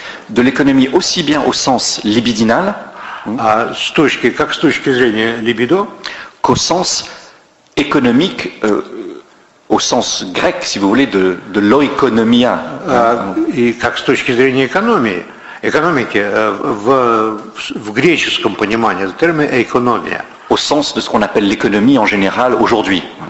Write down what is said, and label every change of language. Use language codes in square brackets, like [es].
[fr] de l'économie aussi bien au sens libidinal [ru] с точки как с точки зрения либидо [fr] qu'au sens économique au sens grec si vous voulez de l'oikonomia [ru] и как с точки зрения экономии экономики в греческом понимании этот термин экономия [fr] au sens de ce qu'on appelle l'économie en général aujourd'hui.